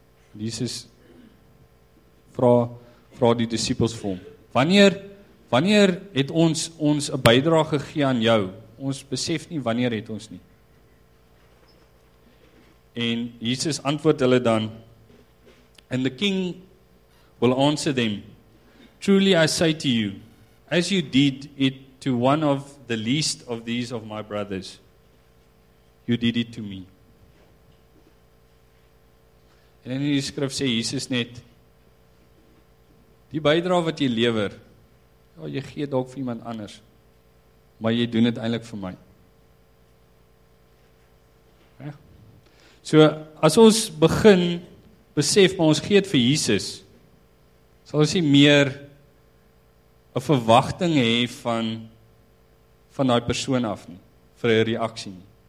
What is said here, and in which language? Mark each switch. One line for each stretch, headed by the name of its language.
Afrikaans: Jesus vra die disciples vir hom, wanneer het ons 'n bydra gegee aan jou? Ons besef nie, wanneer het ons nie.
English: En Jesus antwoord hulle dan, and the king will answer them, truly I say to you, as you did it to one of the least of these of my brothers, you did it to me.
Afrikaans: En in die skrif sê Jesus net, die bydrae wat jy lewer, ja, jy gee dalk vir iemand anders, maar jy doen dit eintlik vir my. Ja. So, as ons begin besef, maar ons gee dit vir Jesus, sal ons nie meer 'n verwagting hê van daai persoon af nie, vir 'n reaksie nie.